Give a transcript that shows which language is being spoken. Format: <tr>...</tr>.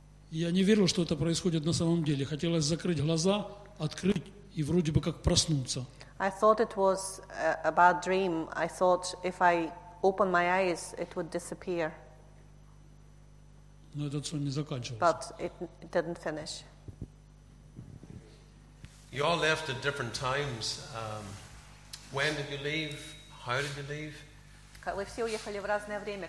<ru>Я не верил, что это происходит на самом деле. Хотелось закрыть глаза, открыть и вроде бы как проснуться.</ru> <en>I thought it was a bad dream. I thought if I open my eyes, it would disappear.</en> <ru>Но этот сон не заканчивался.</ru> <en>But it didn't finish. You all left at different times. When did you leave? How did you leave?</en> <ru>Вы все уехали в разное время.</ru>